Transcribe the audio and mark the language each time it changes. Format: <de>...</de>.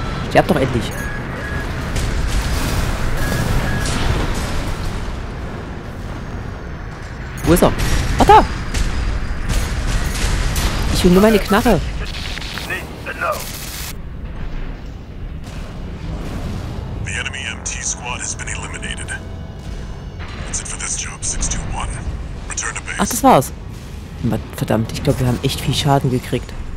<de>Ich hab doch endlich. Wo ist er? Ach da! Ich will nur meine Knarre.</de> <en>The enemy MT squad has been eliminated. That's it for this job, 621. Return to base.</en> <de>Ach, das war's. Verdammt, ich glaube, wir haben echt viel Schaden gekriegt.</de>